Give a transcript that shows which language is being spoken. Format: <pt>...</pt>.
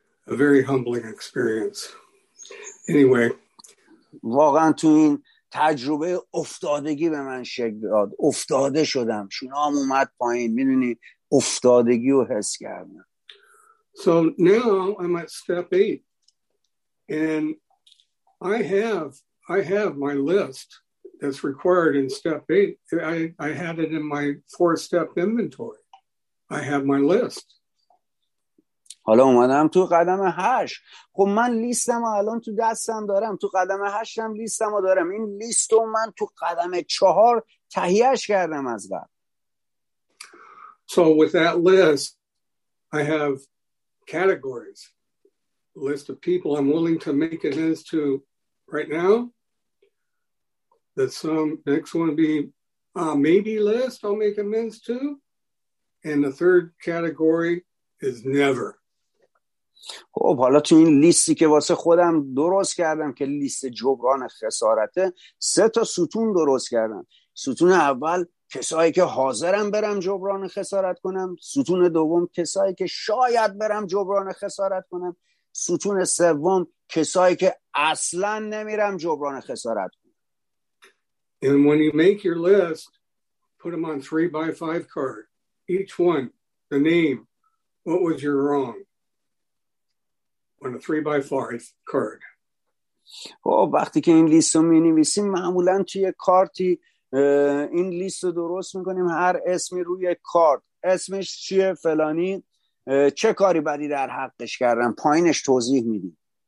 <en>A very humbling experience. Anyway.</en> <fa>واقعا تو این تجربه افتادگی به من شکل داد. افتاده شدم. شونام اومد پایین. میدونی افتادگی رو حس کردم.</fa> <en>So now I'm at step 8. And I have my list that's required in step 8. I had it in my 4-step inventory. I have my list.</en> <fa>حالا اومدم تو قدم 8. خب من لیستمو الان تو دستم دارم. تو قدم 8 هم لیستمو دارم. این لیستو من تو قدم 4 تهیهش کردم از قبل.</fa> <en>So with that list, I have categories. List of people I'm willing to make it as to right now. That some next one be maybe list I'll make amends to, and the third category is never.</en> <fa>خب حالا تو این لیستی که واسه خودم درست کردم که لیست جبران خسارته سه تا ستون درست کردم. ستون اول کسایی که حاضرم برم جبران خسارت کنم. ستون دوم کسایی که شاید برم جبران خسارت کنم. ستون سوم کسایی که اصلا نمیرم جبران خسارت.</fa> <en>And when you make your list, put them on 3x5 card. Each one, the name, what was your wrong? On a 3x5 card.</en> <fa>خب وقتی که این لیست رو می نویسیم معمولا توی کارتی این لیست رو درست می کنیم هر اسمی روی کارت اسمش چیه فلانی چه کاری بدی در حقش کردم پایینش توضیح میدیم.</fa>